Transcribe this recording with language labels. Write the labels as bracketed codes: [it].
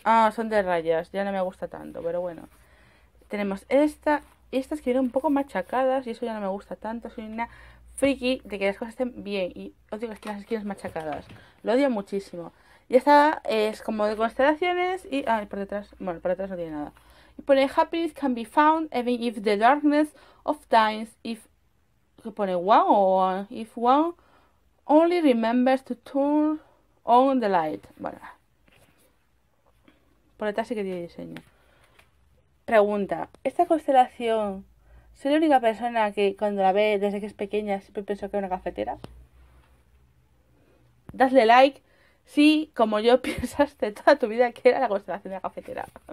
[es] Ah, son de rayas. Ya no me gusta tanto, pero bueno. Tenemos esta. Y estas que vienen un poco machacadas. Y eso ya no me gusta tanto. Soy una friki de que las cosas estén bien. Y odio que estén las esquinas machacadas. Lo odio muchísimo. Y esta es como de constelaciones. Y. Ah, y por detrás. Bueno, por detrás no tiene nada. Y pone [en] Happiness can be found even if the darkness of times. If. [es] ¿Qué pone? [en] Wow. O if one only remembers to turn on the light. [es] Bueno. Por detrás sí que tiene diseño. Pregunta. ¿Esta constelación, soy la única persona que cuando la ve desde que es pequeña siempre pensó que era una cafetera? Dadle like si, como yo, pensaste toda tu vida que era la constelación de la cafetera.